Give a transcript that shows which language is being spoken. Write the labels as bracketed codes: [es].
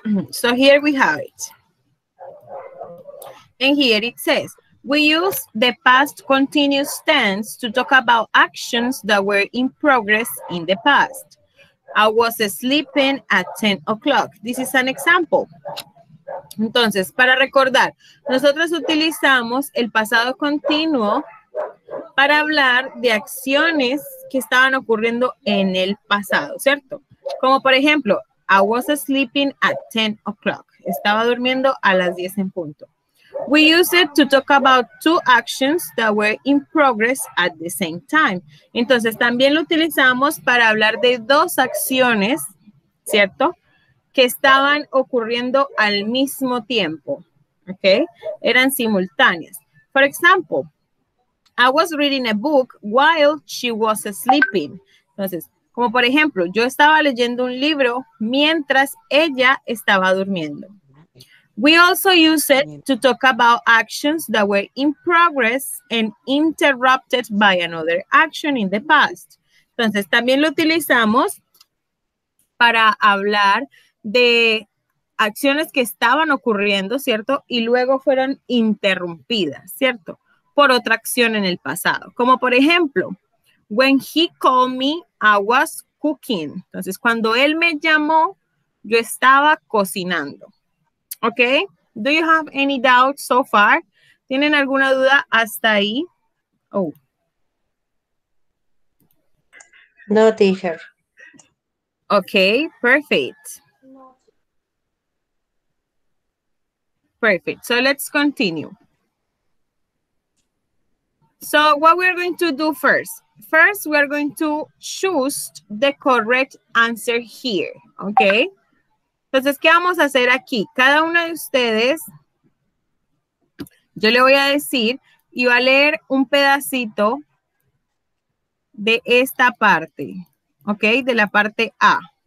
[en] So here we have it. And here it says, we use the past continuous tense to talk about actions that were in progress in the past. I was sleeping at 10 o'clock. This is an example. [es] Entonces, para recordar, nosotros utilizamos el pasado continuo para hablar de acciones que estaban ocurriendo en el pasado, ¿cierto? Como por ejemplo, [en] I was sleeping at 10 o'clock. [es] Estaba durmiendo a las 10 en punto. [en] We use it to talk about two actions that were in progress at the same time. [es] Entonces, también lo utilizamos para hablar de dos acciones, ¿cierto? Que estaban ocurriendo al mismo tiempo, ¿ok? Eran simultáneas. [en] For example, I was reading a book while she was sleeping. [es] Entonces, como por ejemplo, yo estaba leyendo un libro mientras ella estaba durmiendo. [en] We also use it to talk about actions that were in progress and interrupted by another action in the past. [es] Entonces, también lo utilizamos para hablar de acciones que estaban ocurriendo, ¿cierto? Y luego fueron interrumpidas, ¿cierto? Por otra acción en el pasado. Como por ejemplo, [en] when he called me, I was cooking. [es] Entonces, cuando él me llamó, yo estaba cocinando. [en] Okay, do you have any doubt so far? [es] ¿Tienen alguna duda hasta ahí? Oh. [en] No, teacher. Okay, perfect. Perfect, so let's continue. So what we're going to do first? First, we're going to choose the correct answer here, okay? [es] Entonces, ¿qué vamos a hacer aquí? Cada uno de ustedes, yo le voy a decir y va a leer un pedacito de esta parte, ¿ok? De la parte A.